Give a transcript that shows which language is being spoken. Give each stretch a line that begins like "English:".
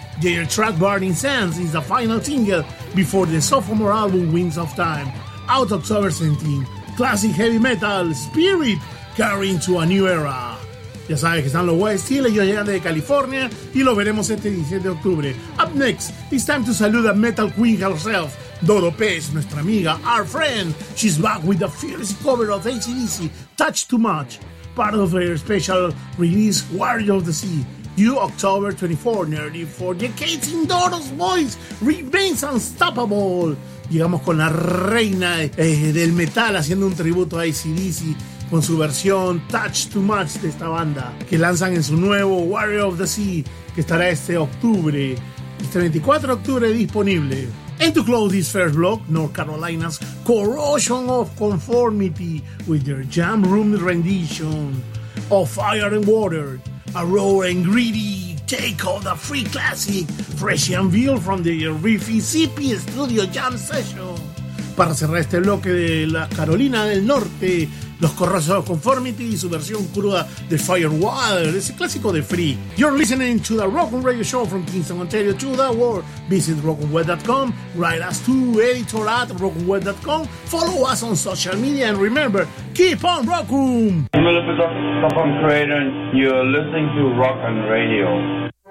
English: Their track Burning Sands is the final single before the sophomore album Wings of Time, out October 17. Classic heavy metal spirit carrying to a new era.
Spanish: Ya sabes que están los White Steel, ellos llegan de California y lo veremos este 17 de octubre.
English: Up next, it's time to salute a metal queen herself, Dodo Pez,
Spanish: nuestra amiga,
English: our friend. She's back with a fierce cover of AC/DC, Touch Too Much, part of her special release, Warrior of the Sea, due October 24, nearly 4 decades in Dodo's voice remains unstoppable.
Spanish: Llegamos con la reina del metal haciendo un tributo a AC/DC con su versión Touch Too Much de esta banda, que lanzan en su nuevo Warrior of the Sea, que estará este octubre, este 24 de octubre disponible.
English: And to close this first block, North Carolina's Corrosion of Conformity with their jam room rendition of Fire and Water, a raw and greedy take on the free classic, fresh unveiled from the Riffy CP Studio Jam Session.
Spanish: Para cerrar este bloque de la Carolina del Norte, los Corrosive of Conformity y su versión cruda de Firewater, ese clásico de Free.
English: You're listening to the Rockin' Radio Show from Kingston, Ontario to the world. Visit rockinweb.com, write us to editor at rockinweb.com, follow us on social media, and remember, keep on rockin'! I'm Dr. Stefan Crater, and you're listening to Rockin' Radio.